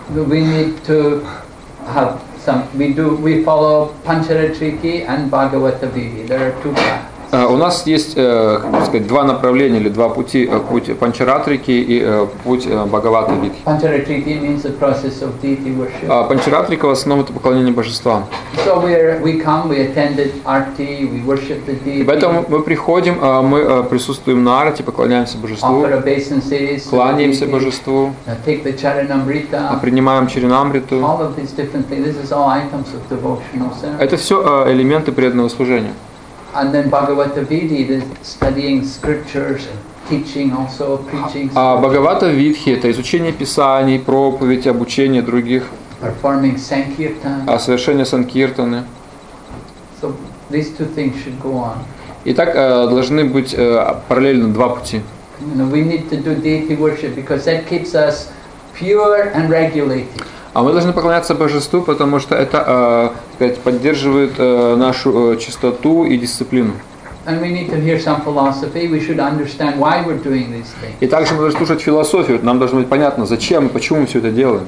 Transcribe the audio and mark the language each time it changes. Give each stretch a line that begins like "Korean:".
English: We need to have some. We follow Pancharatriki and Bhagavata Vidhi. There are two paths.
Russian: У нас есть, сказать, два направления или два пути: путь Панчаратрики и путь Бхагавата Видхи.
English: Панчаратрики means the process of deity worship.
Russian: Панчаратрика в основном это поклонение божествам.
English: So we come, we attended arti, we worship the deity.
Russian: И поэтому мы приходим, мы присутствуем на арти, поклоняемся божеству, кланяемся божеству,
English: take the charanamrita,
Russian: принимаем чаринамриту.
English: All of these different things. This is all items of devotional service.
Russian: Это все элементы преданного служения.
English: And then Bhagavata Vidhi, the studying scriptures and teaching, also preaching.
Russian: Bhagavata Vidhi – это изучение писаний, проповедь, обучение других.
English: Performing sankirtan.
Russian: Совершение санкиртаны.
English: So these two things should go on.
Russian: Итак, должны быть параллельно два пути.
English: You know, we need to do deity worship because that keeps us pure and regulated.
Russian: А мы должны поклоняться божеству, потому что это, сказать, поддерживает нашу чистоту и дисциплину.
English: And we need to hear some philosophy. We should understand why we're doing these things.
Russian: И также мы должны слушать философию. Нам должно быть понятно, зачем и почему мы все это делаем.